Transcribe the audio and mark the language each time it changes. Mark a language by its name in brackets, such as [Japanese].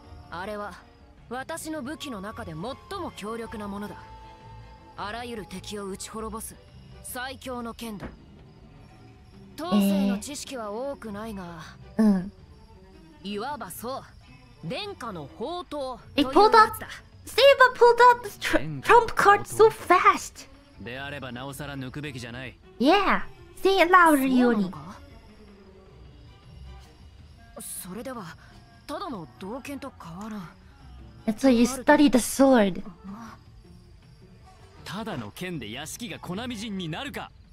[Japanese] あれは私の武器の中で最も強力なものだ。あらゆる敵を打ち滅ぼす最強の剣だ。当世の知識は多くないが、うん、いわばそう、殿下の宝刀というやつだ。 [English] Steve pulled out the trump card so fast! [Japanese] であればなおさら抜くべきじゃない。 [English] Yeah! Say it louder, Yoni! [Japanese] それでは、ただの銅剣と変わらん。 [English] That's why you study the sword! [Japanese] ただの剣で屋敷が粉みじんになるか。